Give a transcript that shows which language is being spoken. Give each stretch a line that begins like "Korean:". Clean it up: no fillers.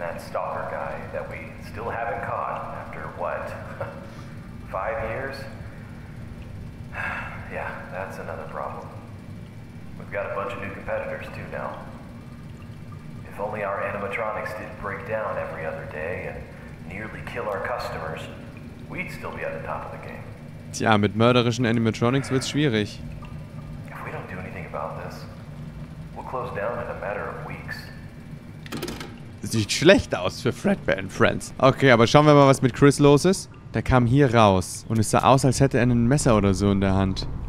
English: Stalker guy that we still haven't caught after what? 5 years? Yeah, that's another problem. We've got a bunch of new competitors too now. If only our animatronics didn't break down every other day and nearly kill our customers, we'd still be at the top of the game.
German: Tja, mit mörderischen Animatronics wird's schwierig.
English: If we don't do anything about this, we'll close down in a matter of weeks.
German: Sieht schlecht aus für Fredbear and Friends. Okay, aber schauen wir mal, was mit Chris los ist. Der kam hier raus und es sah aus, als hätte er ein Messer oder so in der Hand.